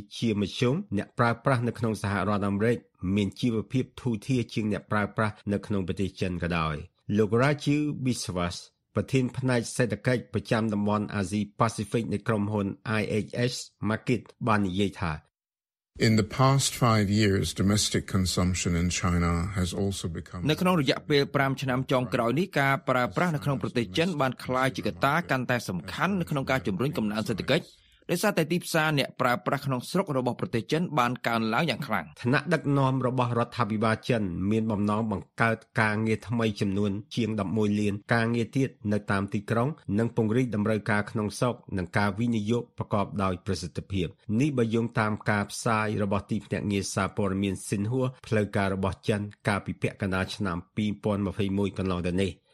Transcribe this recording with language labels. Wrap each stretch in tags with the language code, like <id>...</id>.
<km>ជាមជ្ឈមអ្នកប្រើប្រាស់នៅក្នុងសហរដ្ឋអាមេរិកមានជីវភាពធូរធារជាងអ្នកប្រើប្រាស់នៅក្នុងប្រទេសចិនក៏ដោយលោករាជីវ Biswas ប្រធានផ្នែកសេដ្ឋកិច្ចប្រចាំតំបន់អាស៊ី Pacific នៃក្រុមហ៊ុន IHS Market បាននិយាយថា</km> <en>In the past 5 years domestic consumption in China has also become</en> <km>នៅក្នុងរយៈពេល5ឆ្នាំចុងក្រោយនេះការប្រើប្រាស់នៅក្នុងប្រទេសចិនបានក្លាយជាកត្តាកាន់តែសំខាន់នៅក្នុងការជំរុញកំណើនសេដ្ឋកិច្ចដោយសារតែទីផ្សារអ្នកប្រើប្រាស់ក្នុងស្រុករបស់ប្រទេសចិនបានកើនឡើងយ៉ាងខ្លាំង ឋានៈដឹកនាំរបស់រដ្ឋាភិបាលចិនមានបំណងបង្កើតការងារថ្មីចំនួនជាង11លានការងារទៀតនៅតាមទីក្រុងនិងពង្រីកតម្រូវការក្នុងស្រុកនិងការវិនិយោគប្រកបដោយប្រសិទ្ធភាពនេះបើយោងតាមការផ្សាយរបស់ទីភ្នាក់ងារសារព័ត៌មានស៊ីនហួផ្លូវការរបស់ចិនកាលពីពាក់កណ្ដាលឆ្នាំ2021កន្លងទៅនេះ</km>